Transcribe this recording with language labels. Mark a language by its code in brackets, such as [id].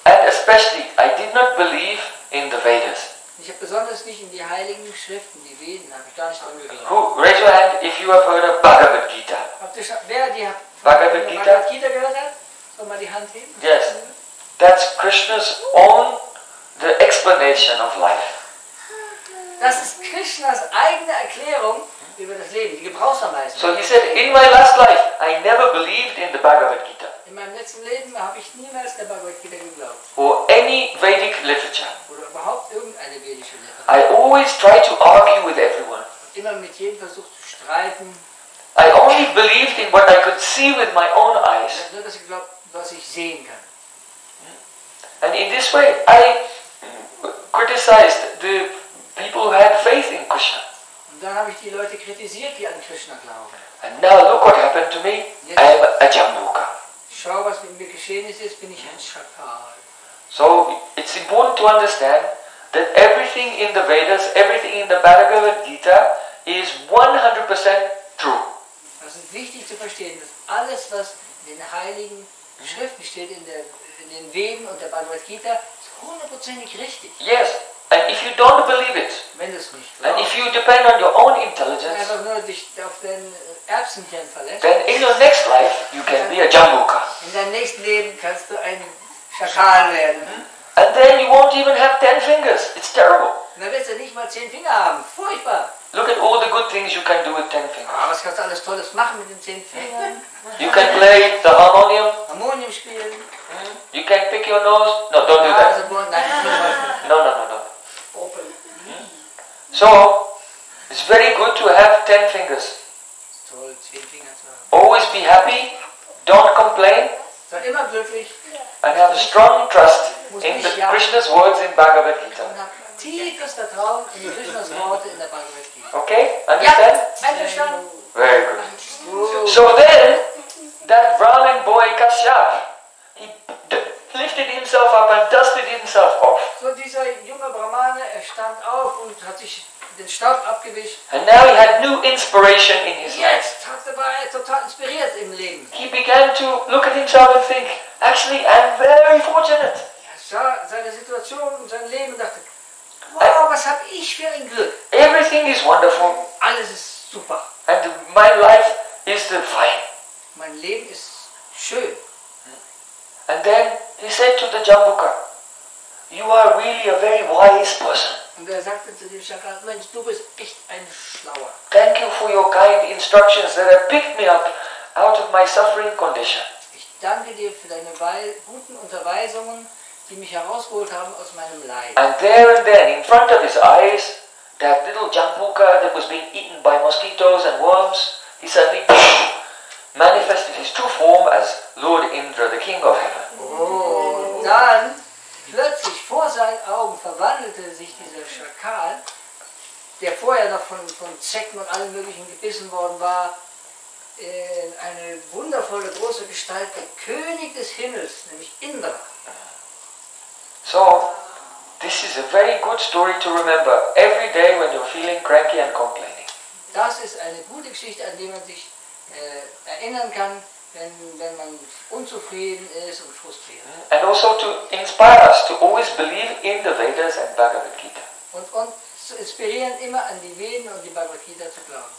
[en] And especially, I did not believe in the Vedas. [de] Ich habe besonders nicht in die heiligen Schriften, die Veden, habe ich gar nicht angeglaubt. [en] Who, raise your hand if you have heard of Bhagavad Gita. [de] Wer die Bhagavad Gita gehört hat, soll mal die Hand heben. [en] Yes, that's Krishna's own, the explanation of life. [de] Das ist Krishnas eigene Erklärung über das Leben, die Gebrauchsanweisung. [en] So he said, in my last life, I never believed in the Bhagavad Gita. [de] In meinem letzten Leben habe ich niemals der Bhagavad Gita geglaubt. [en] Or any Vedic literature. [de] Oder überhaupt irgendeine vedische Literatur. [en] I always try to argue with everyone. [de] Immer mit jedem versucht zu streiten. [en] I only believed in what I could see with my own eyes. [de] Ich habe nur das geglaubt, was ich sehen kann. [en] And in this way, I criticized the people who had faith in Krishna. [de] Und dann habe ich die Leute kritisiert, die an Krishna glauben. [en] And now look what happened to me. [de] Jetzt, [en] I am a Jambuka. [de] Schau, was mit mir geschehen ist, jetzt bin ich ein Schakal. [en] So, it's important to understand that everything in the Vedas, everything in the Bhagavad Gita is 100% true. [de] Das ist wichtig zu verstehen, dass alles, was in den heiligen Schriften steht, in den Veden und der Bhagavad Gita, ist 100%ig richtig. [en] Yes. And if you don't believe it, [de] wenn es nicht glaubt, [en] and if you depend on your own intelligence, [de] einfach nur dich auf den Erbsenkern verlässt, [en] then in your next life you can be a Jambuka. [de] In deinem nächsten Leben kannst du ein Schakal werden. [en] And then you won't even have 10 fingers. It's terrible. [de] Und dann wirst du nicht mal 10 Finger haben. Furchtbar. [en] Look at all the good things you can do with 10 fingers. [de] Was kannst du alles Tolles machen mit den 10 Fingern? [en] You can play the harmonium. [de] Harmonium spielen. [en] You can pick your nose. No, don't do that. No. So, it's very good to have 10 fingers. [de] Toll, 10 Finger zu haben. [en] Always be happy, don't complain. [de] Sei immer glücklich. [en] And have a strong trust in the Krishna's words in Bhagavad Gita. [de] Und hab tiefes Vertrauen in die Krishna's Worte in der Bhagavad Gita. [en] Okay, understand? [de] Ja, einverstanden. [en] Very good. So then, that Brahmin boy Kashyap, lifted himself up and dusted himself off. [de] So dieser junge Brahmane, er stand auf und hat sich den Staub abgewischt. [en] And now he had new inspiration in his [de] jetzt Jetzt war er total inspiriert im Leben. [en] He began to look at himself and think, actually, I'm very fortunate. [de] Er sah seine Situation und sein Leben und dachte, wow, was habe ich für ein Glück. [en] Everything is wonderful. [de] Alles ist super. [en] And my life is divine. [de] Mein Leben ist schön. [en] And then he said to the Jambuka, you are really a very wise person. [de] Und er sagte zu dem Schakal, Mensch, du bist echt ein Schlauer. [en] Thank you for your kind instructions that have picked me up out of my suffering condition. [de] Ich danke dir für deine guten Unterweisungen, die mich herausgeholt haben aus meinem Leid. [en] And there and then, in front of his eyes, that little Jambuka that was being eaten by mosquitoes and worms, he suddenly manifested his true form as Lord Indra, the King of Heaven. [de] Oh, dann plötzlich vor seinen Augen verwandelte sich dieser Schakal, der vorher noch von Zecken und allen möglichen gebissen worden war, in eine wundervolle große Gestalt, der König des Himmels, nämlich Indra. [en] So, this is a very good story to remember every day when you're feeling cranky and complaining. [de] Das ist eine gute Geschichte, an die man sich erinnern kann, wenn man unzufrieden ist und frustriert. [en] And also to inspire us to always believe in the Vedas and Bhagavad Gita. [de] Und zu inspirieren, immer an die Veden und die Bhagavad Gita zu glauben.